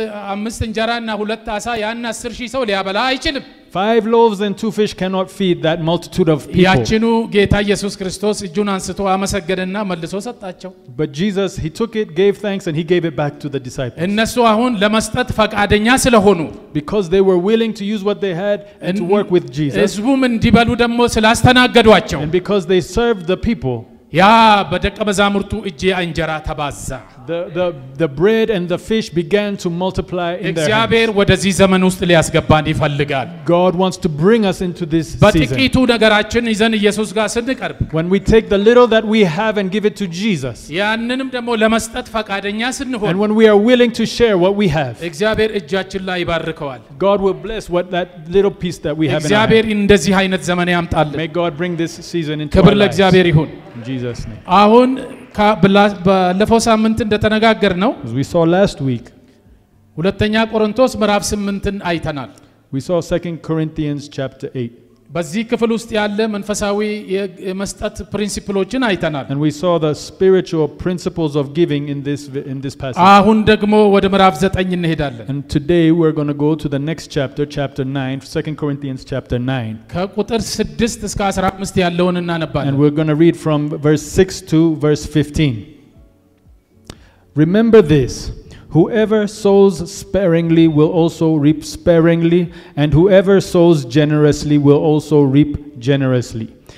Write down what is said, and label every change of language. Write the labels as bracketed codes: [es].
[am] አምስት እንጀራ እና ሁለት አሳ ያና 10000 ሰው ሊያበላ አይችልም [en] 5 loaves and 2 fish cannot feed that multitude of people [am] ያችኑ ጌታ ኢየሱስ ክርስቶስ እጁን አንስቶ አመሰገነና መልሶ ሰጣቸው [en] but Jesus he took it gave thanks and he gave it back to the disciples [am] እነሱ አሁን ለመስጠት ፈቃደኛ ስለሆኑ [en] because they were willing to use what they had and to work with Jesus this woman [am] ዲባሉ ደሞ ስላስተናገዷቸው [en] and because they served the people [am] ያ በደቀ መዛሙርቱ እጄ እንጀራ ተባዛ [en] the bread and the fish began to multiply in there [am] እግዚአብሔር ወደዚህ ዘመን ውስጥ ሊያስገባን ይፈልጋል [en] God wants to bring us into this season [am] በጥቂቱ ነገራችን ይዘን ኢየሱስ ጋር ስንቀርብ [en] when we take the little that we have and give it to Jesus [am] ያንንም ደሞ ለመስጠት ፈቃደኛ ስንሆን [en] and when we are willing to share what we have [am] እግዚአብሔር እጃችን ላይ ይባርከዋል [en] God will bless what that little piece that we have [am] እግዚአብሔር እንደዚህ አይነት ዘመን ያምጣል [en] may God bring this season into [am] ክብር ለእግዚአብሔር ይሁን [en] in Jesus name [am] አሁን ባለፈው ሳምንት እንደተነጋገርነው [en] we saw last week [am] ሁለተኛ ቆሮንቶስ ምዕራፍ 8ን አይተናል [en] we saw 2 Corinthians chapter 8 [am] በዚህ ክፍል ውስጥ ያለ መንፈሳዊ የመስጠት principles አይተናል [en] and we saw the spiritual principles of giving in this passage [am] አሁን ደግሞ ወደ ምዕራፍ 9 እንሄዳለን [en] and today we're going to go to the next chapter 9 2 Corinthians chapter 9 [am] ከቁጥር 6 እስከ 15 ያለውን እናነባለን [en] and we're going to read from verse 6 to verse 15 remember this Whoever sows sparingly will also reap sparingly, and whoever sows generously will also reap generously.